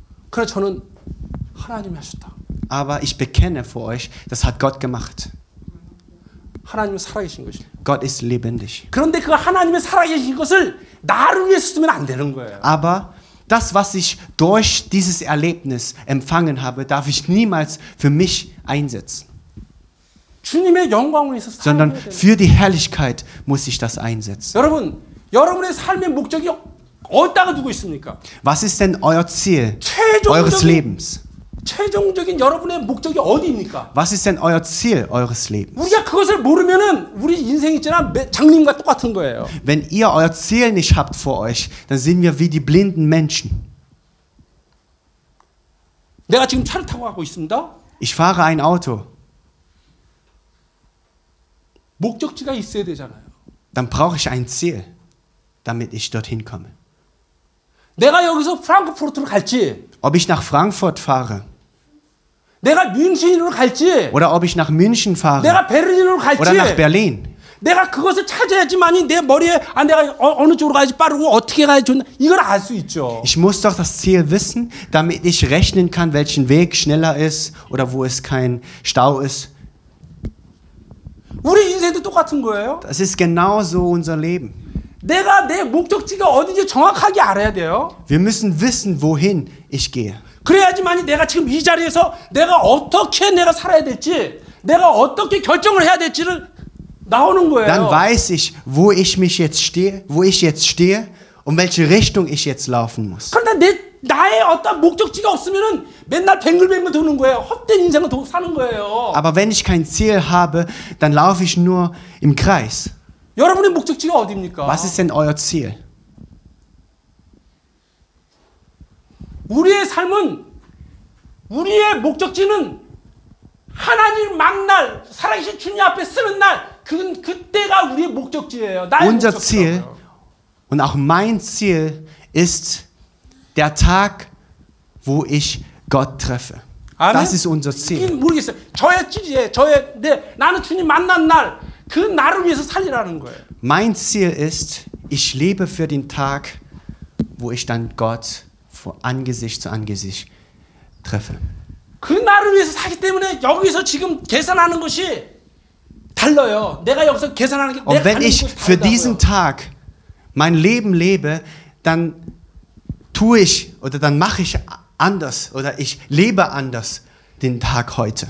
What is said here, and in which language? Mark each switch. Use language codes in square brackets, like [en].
[ko] 그래 저는 하나님이 하셨다. [de] Aber ich bekenne vor euch, das hat Gott gemacht. [ko] 하나님이 살아계신 것이. [de] Gott ist lebendig. [ko] 그런데 그 하나님이 살아계신 것을 나를 위해 쓰면 안 되는 거예요. [de] Aber das, was ich durch dieses Erlebnis empfangen habe, darf ich niemals für mich einsetzen. [ko] 주님의 영광을 위해서 살아야 [de] Sondern für die Herrlichkeit muss ich das einsetzen. [ko] 여러분, 여러분의 삶의 목적이 어디다가 두고 있습니까? [de] Was ist denn euer Ziel eures Lebens? [ko] 최종적인 여러분의 목적이 어디입니까? [de] Was ist denn euer Ziel eures Lebens? [ko] 우리가 그것을 모르면은 우리 인생 있잖아 장님과 똑같은 거예요. [de] Wenn ihr euer Ziel nicht habt vor euch, dann sind wir wie die blinden Menschen. [ko] 내가 지금 차를 타고 가고 있습니다. [de] Ich fahre ein Auto. [ko] 목적지가 있어야 되잖아요. [de] Dann brauche ich ein Ziel, damit ich dorthin komme. [ko] 내가 여기서 프랑크푸르트로 갈지 [de] Ob ich nach Frankfurt fahre. [ko] 내가 München으로 갈지. [de] Oder ob ich nach München fahre. [ko] 내가 Berlin으로 갈지. [de] Oder nach Berlin. [ko] 내가 그것을 찾아야지만이 내 머리에 안 내가 어느 쪽으로 가야지 빠르고 어떻게 가야 좋나 이걸 알 수 있죠. [de] Ich muss doch das Ziel wissen, damit ich rechnen kann, welchen Weg schneller ist oder wo es kein Stau ist. [ko] 우리 인생도 똑같은 거예요. [de] Das ist genauso unser Leben. [ko] 내가 내 목적지가 어디인지 정확하게 알아야 돼요. [de] Wir müssen wissen, wohin ich gehe. [ko] 그래야지만이 내가 지금 이 자리에서 내가 어떻게 내가 살아야 될지, 내가 어떻게 결정을 해야 될지를 나오는 거예요. [de] Dann weiß ich, wo ich mich jetzt stehe, wo ich jetzt stehe und welche Richtung ich jetzt laufen muss. [ko] 그런데 내 나의 어떤 목적지가 없으면은 맨날 뱅글뱅글 도는 거예요. 헛된 인생을 도 사는 거예요. [de] Aber wenn ich kein Ziel habe, dann laufe ich nur im Kreis. [ko] 여러분의 목적지가 어디입니까? [de] Was ist denn euer Ziel? [ko] 우리의 삶은 우리의 목적지는 하나님 만날 살아계신 주님 앞에 서는 날 그때가 우리의 목적지예요. 나의 [de] Unser Ziel und auch mein Ziel ist der Tag, wo ich Gott treffe. Das ist unser Ziel. [ko] 모르겠어요. 저의 Ziel이에요. 저의 네, 나는 주님 만난 날 그 나를 위해서 살리라는 거예요. [de] Mein Ziel ist, ich lebe für den Tag, wo ich dann Gott von Angesicht zu Angesicht treffe. [ko] 그 나를 위해서 살기 때문에 여기서 지금 계산하는 것이 달라요. 내가 여기서 계산하는 게 내가 [de] Und wenn ich für diesen Tag mein Leben lebe, dann tue ich oder dann mache ich anders oder ich lebe anders den Tag heute.